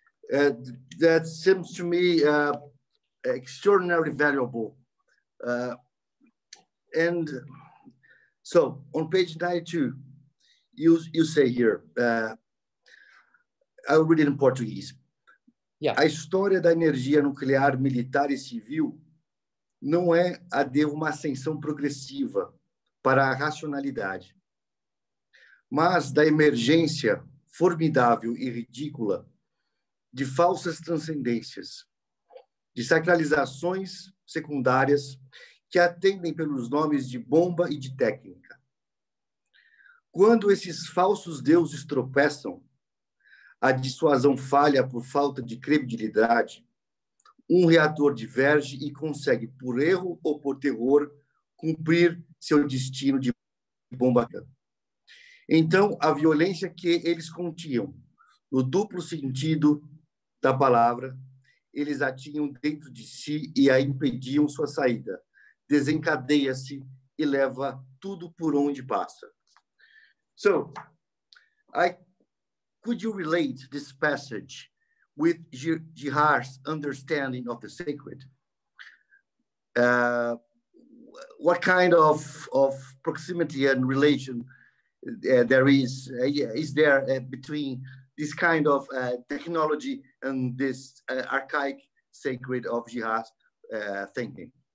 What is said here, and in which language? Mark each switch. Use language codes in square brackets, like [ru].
[en] That seems to me extraordinarily valuable. And so on page 92, you say here, I'll read it in Portuguese. Yeah. [pt] A história da energia nuclear militar e civil não é a de uma ascensão progressiva para a racionalidade, mas da emergência formidável e ridícula de falsas transcendências, de sacralizações secundárias que atendem pelos nomes de bomba e de técnica. Quando esses falsos deuses tropeçam, a dissuasão falha por falta de credibilidade, um reator diverge e consegue, por erro ou por terror, cumprir seu destino de bomba. Então, a violência que eles continham, no duplo sentido da palavra, eles a tinham dentro de si e a impediam sua saída, desencadeia-se e leva tudo por onde passa. [en] So, could you relate this passage with Gerhard's understanding of the sacred? What kind of proximity and relation is there between this kind of technology and this archaic sacred of Gerhard's thinking?